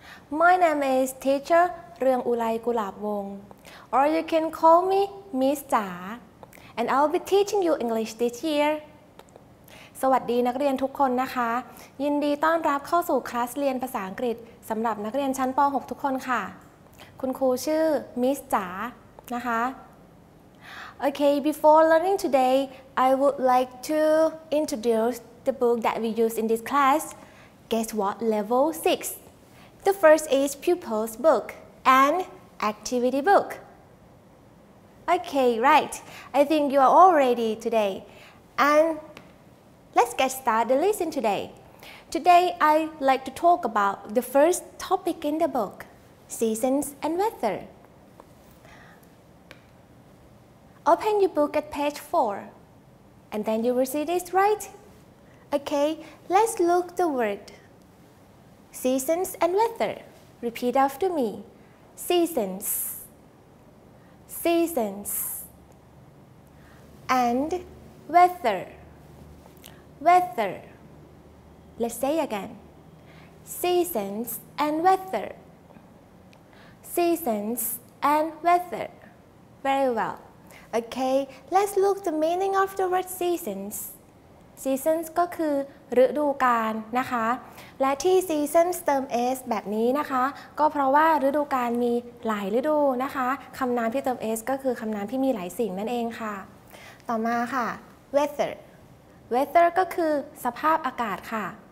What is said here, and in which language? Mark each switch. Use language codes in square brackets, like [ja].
[en] My name is teacher Rueang Ulai Gulabwong, or you can call me Miss Jha, and I'll be teaching you English this year. [th] สวัสดีนักเรียนทุกคนนะคะยินดีต้อนรับเข้าสู่คลาสเรียนภาษาอังกฤษสำหรับนักเรียนชั้นป.6ทุกคนค่ะคุณครูชื่อ Miss Jha นะคะ [en] Okay, before learning today, I would like to introduce the book that we use in this class. Guess what? Level 6. The first is pupil's book and activity book. Okay, right. I think you are all ready today. And let's get started the lesson today. Today, I like to talk about the first topic in the book, seasons and weather. Open your book at page 4, and then you will see this, right? Okay, let's look the word. Seasons and weather. Repeat after me. Seasons. Seasons. And weather. Weather. Let's say again. Seasons and weather. Seasons and weather. Very well. Okay, let's look the meaning of the word seasons. [th] Seasons ก็คือฤดูกาลนะคะและที่ seasons เติม s แบบนี้นะคะก็เพราะว่าฤดูกาลมีหลายฤดูนะคะคำนามที่เติม s ก็คือคำนามที่มีหลายสิ่งนั่นเองค่ะต่อมาค่ะ weather weather ก็คือสภาพอากาศค่ะ